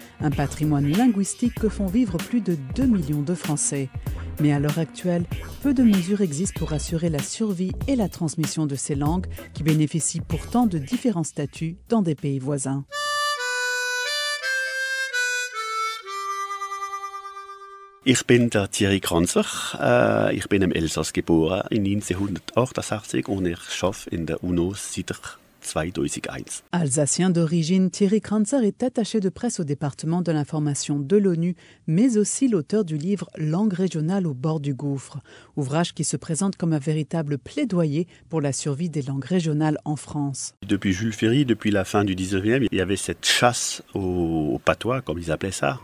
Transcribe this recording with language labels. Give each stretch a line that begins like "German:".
French: Un patrimoine linguistique que font vivre plus de 2 millions de Français. Mais à l'heure actuelle, peu de mesures existent pour assurer la survie et la transmission de ces langues qui bénéficient pourtant de différents statuts dans des pays voisins.
German: Ich bin der Thierry Kranzer. Ich bin im Elsass geboren in 1988 und ich schaffe in der UNO seit 2001.
French: Alsacien d'origine, Thierry Kranzer est attaché de presse au département de l'information de l'ONU, mais aussi l'auteur du livre « Langue régionale au bord du gouffre », ouvrage qui se présente comme un véritable plaidoyer pour la survie des langues régionales en France. Depuis Jules Ferry, depuis la fin du 19e, il y avait cette chasse au patois, comme ils appelaient ça.